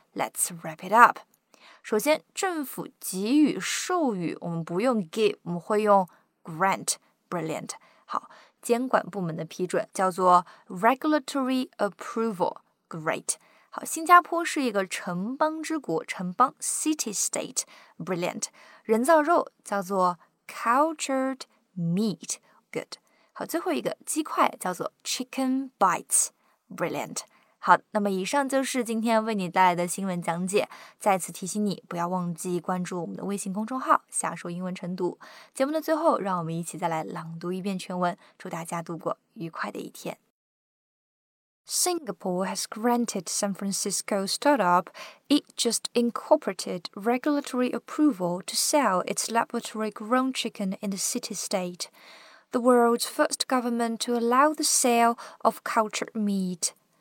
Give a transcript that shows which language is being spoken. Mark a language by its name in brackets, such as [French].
[English] Let's wrap it up。 [Chinese] 首先，政府给予授予，我们不用 give， 我们会用Grant, brilliant. 好，监管部门的批准叫做 regulatory approval, great. 好，新加坡是一个城邦之国，城邦 city state, brilliant. 人造肉叫做 cultured meat, good. 好，最后一个鸡块叫做 chicken bites, brilliant. 好，那么以上就是今天为你带来的新闻讲解。再次提醒你，不要忘记关注我们的微信公众号“下说英文晨读”。节目的最后，让我们一起再来朗读一遍全文，祝大家度过愉快的一天。 [English] Singapore has granted San Francisco startup Eat Just Incorporated regulatory approval to sell its laboratory-grown chicken in the city state, the world's first government to allow the sale of cultured meat.